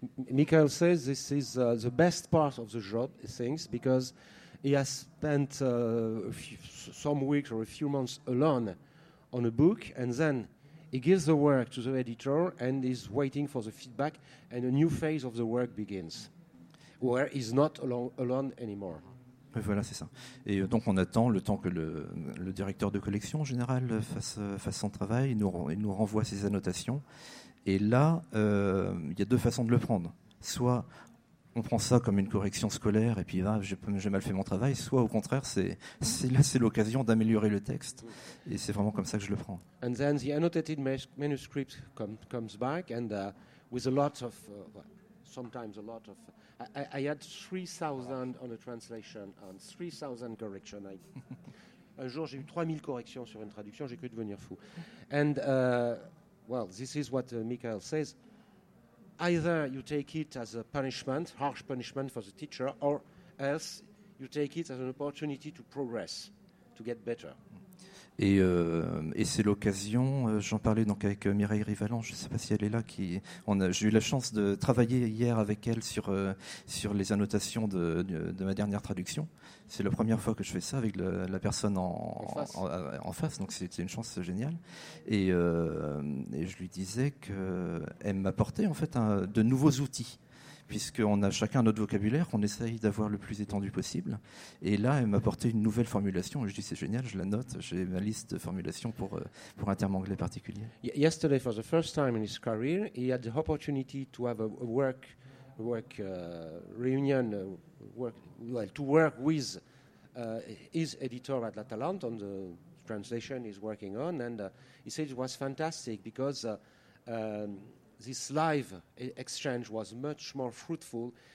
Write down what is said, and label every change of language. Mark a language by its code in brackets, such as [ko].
[en] Michael says this is the best part of the job, I think, because he has spent some weeks or a few months alone on a book, and then he gives the work to the editor and is waiting for the feedback, and a new phase of the work begins, where he's not alone anymore. [fr] Voilà, c'est ça. Et donc on attend le temps que le directeur de collection en général fasse son travail, il nous renvoie ses annotations. Et là, il y a deux façons de le prendre. Soit on prend ça comme une correction scolaire et puis ah, j'ai mal fait mon travail, soit au contraire, c'est l'occasion d'améliorer le texte. Et c'est vraiment comme ça que je le prends. [en] And then the annotated manuscript comes back and with a lot of sometimes a lot of I had 3,000 on a translation and 3,000 correction. [fr] Un jour, j'ai eu 3,000 corrections sur une traduction. J'ai cru devenir fou. [en] And this is what Michael says. Either you take it as a punishment, harsh punishment for the teacher, or else you take it as an opportunity to progress, to get better. [fr] Et c'est l'occasion, j'en parlais donc avec Mireille Rivalan, je ne sais pas si elle est là, j'ai eu la chance de travailler hier avec elle sur les annotations de ma dernière traduction. C'est la première fois que je fais ça avec la personne en face, donc c'est une chance géniale. Et je lui disais qu'elle m'apportait en fait de nouveaux outils. Puisqu'on a chacun notre vocabulaire, qu'on essaye d'avoir le plus étendu possible. Et là, elle m'a apporté une nouvelle formulation. Je dis, c'est génial, je la note. J'ai ma liste de formulations pour un terme anglais particulier. [en] Yesterday, for the first time in his career, he had the opportunity to have a work reunion, to work with his editor at La Talente on the translation he's working on. And he said it was fantastic because... this live exchange was much more fruitful